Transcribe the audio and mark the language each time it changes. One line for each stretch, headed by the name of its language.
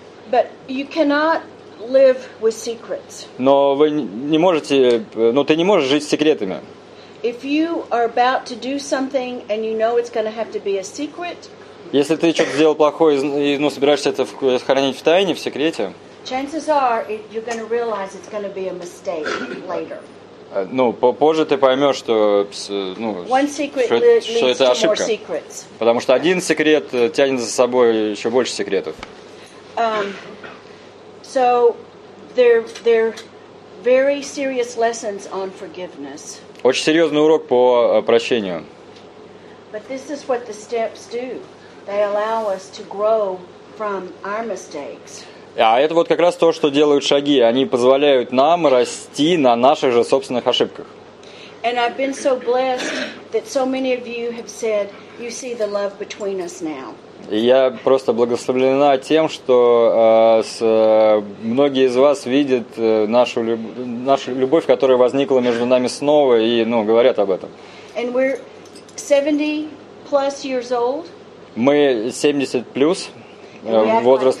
English: But you cannot live with secrets.
Russian: Но вы не можете, ну ты не можешь жить с секретами.
English: If you are about to do something and you know it's going to have to be a secret,
Russian: если ты что-то сделал плохое и ну собираешься это хранить в тайне, в секрете,
English: chances are you're going to realize it's going to be a mistake later.
Russian: Ну, позже ты поймешь, что ну что это ошибка, потому что один секрет тянет за собой еще больше секретов.
English: So they're very serious lessons on forgiveness.
Russian: Очень серьезный урок по прощению.
English: But this is what the steps do. They allow us to grow from our mistakes.
Russian: А это вот как раз то, что делают шаги. Они позволяют нам расти на наших же собственных ошибках.
English: And I've been so blessed that so many of you have said you see the love between us now.
Russian: И я просто благословлена тем, что многие из вас видят нашу любовь, которая возникла между нами снова, и ну, говорят об этом.
English: And we're 70 plus years old.
Russian: Мы 70 плюс возраст.